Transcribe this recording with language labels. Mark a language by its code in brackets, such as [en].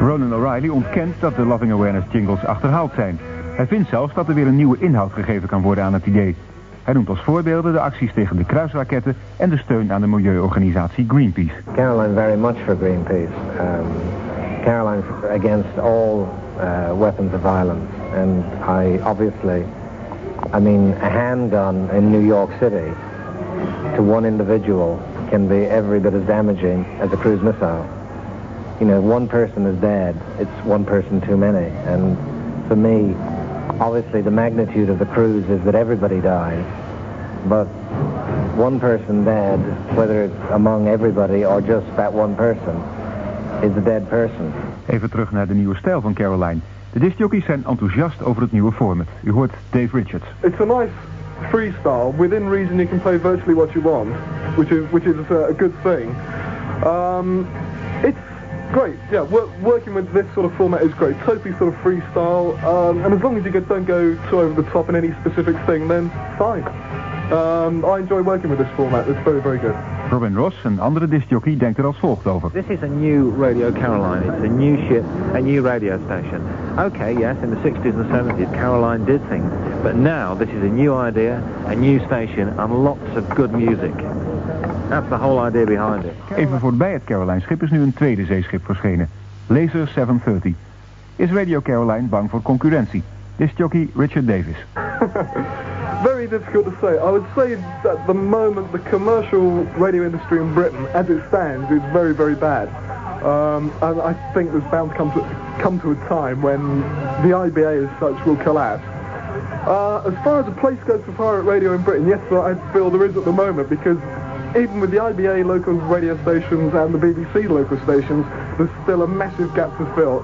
[nl] Ronan O'Reilly ontkent dat de Loving Awareness jingles achterhaald zijn. Hij vindt zelfs dat er weer een nieuwe inhoud gegeven kan worden aan het idee. Hij noemt als voorbeelden de acties tegen de kruisraketten en de steun aan de milieuorganisatie Greenpeace. [en] Caroline very much for Greenpeace. Caroline against all weapons of violence. And I obviously I mean, a handgun in New York City to one individual can be every bit as damaging as a cruise missile. You know, one person is dead, it's one person too many. And for me, obviously the magnitude of the cruise is that everybody dies, but one person dead, whether it's among everybody or just that one person, is a dead person. [nl] Even terug naar de nieuwe stijl van Caroline. De discjockeys zijn enthousiast over het nieuwe format. U hoort Dave Richards. [en] It's a nice freestyle. Within reason, you can play virtually what you want, which is a good thing. It's great. Yeah, working with this sort of format is great. Totally sort of freestyle. And as long as you don't go too over the top in any specific thing, then fine. I enjoy working with this format. It's very, very good. [nl] Robin Ross, een andere discjockey, denkt er als volgt over. [en] This is a new Radio Caroline. It's a new ship, a new radio station. Okay, yes, in the 60s and 70s, Caroline did things. But now, this is a new idea, a new station, and lots of good music. That's the whole idea behind it. [nl] Even voorbij het Caroline-schip is nu een tweede zeeschip verschenen. Laser 730. Is Radio Caroline bang voor concurrentie? Discjockey Richard Davis. [en] Very difficult to say. I would say that at the moment the commercial radio industry in Britain, as it stands, is very, very bad. And I think there's bound to come to a time when the IBA as such will collapse. As far as a place goes for pirate radio in Britain, yes, I feel there is at the moment, because even with the IBA local radio stations and the BBC local stations, there's still a massive gap to fill.